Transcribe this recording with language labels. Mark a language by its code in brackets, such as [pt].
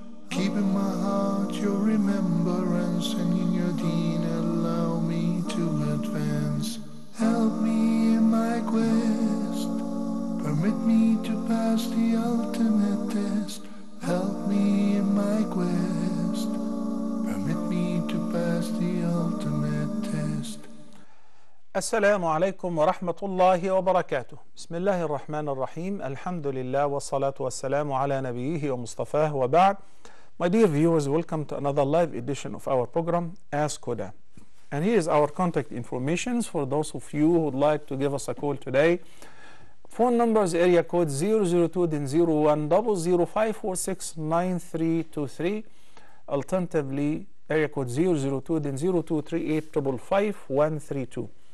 [en] Keep in my heart your remembrance, and in your deen allow me to advance. Help me in my quest, permit me to pass the ultimate test. Help me in my quest, permit me to pass the ultimate test. [ar] السلام عليكم ورحمة الله وبركاته. بسم الله الرحمن الرحيم. الحمد لله والصلاة والسلام على نبيه ومصطفاه وبعد. [en] My dear viewers, welcome to another live edition of our program, Ask Huda. And here is our contact information for those of you who would like to give us a call today. Phone numbers, area code 002-01-0546-9323. Alternatively, area code 002-02-38-55-132.